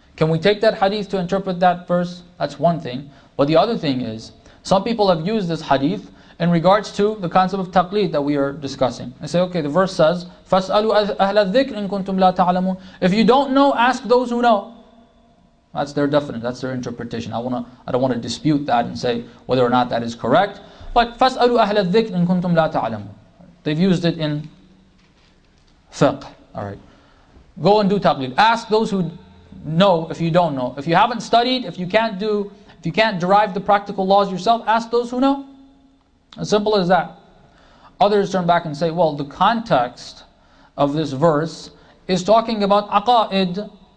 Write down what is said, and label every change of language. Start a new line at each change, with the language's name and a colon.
English: Can we take that hadith to interpret that verse? That's one thing. But the other thing is, some people have used this hadith in regards to the concept of taqlid that we are discussing. They say, okay, the verse says,
Arabic: فَاسْأَلُوا أَهْلَ الذِّكْرِ إِن كُنْتُمْ لَا تَعْلَمُونَ
English: If you don't know, ask those who know. That's their definition. That's their interpretation. I don't want to dispute that and say whether or not that is correct.
Arabic: But فَاسْأَلُوا أَهْلَ الذِّكْرِ إِن كُنْتُمْ لَا تَعْلَمُونَ
English: They've used it in fiqh. All right. Go and do taqlid. Ask those who know if you don't know. If you haven't studied, if you can't derive the practical laws yourself, ask those who know. As simple as that. Others turn back and say, well, the context of this verse is talking about aqa'id.